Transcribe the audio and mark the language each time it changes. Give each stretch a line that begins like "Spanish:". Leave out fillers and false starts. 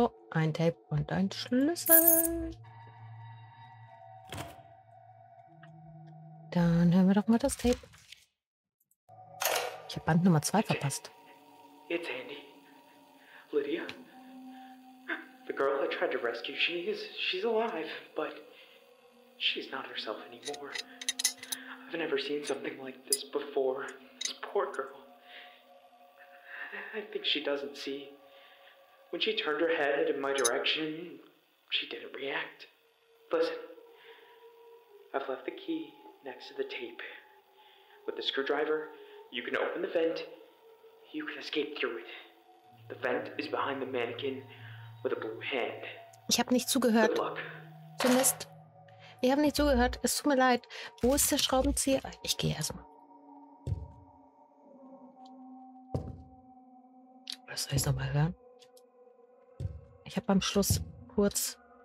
German: ein Tape und ein Schlüssel. Dann hören wir doch mal das Tape. Ich habe Band Nummer 2 verpasst.
English: It's Andy. Lydia. The girl I tried to rescue, she's alive, but she's not herself anymore. I've never seen something like this before. This poor girl. I think she doesn't see. When she turned her head in my direction, she didn't react. Listen, I've left the key next to the tape. With the screwdriver, you can open the vent. You can escape through it. The vent is behind the mannequin with a blue hand.
German: Ich habe nicht zugehört.
English: Good luck.
German: Zumindest. Ich habe nicht zugehört. Es tut mir leid. Wo ist der Schraubenzieher? Ich gehe erstmal. Was soll ich nochmal hören? Ich habe am Schluss kurz.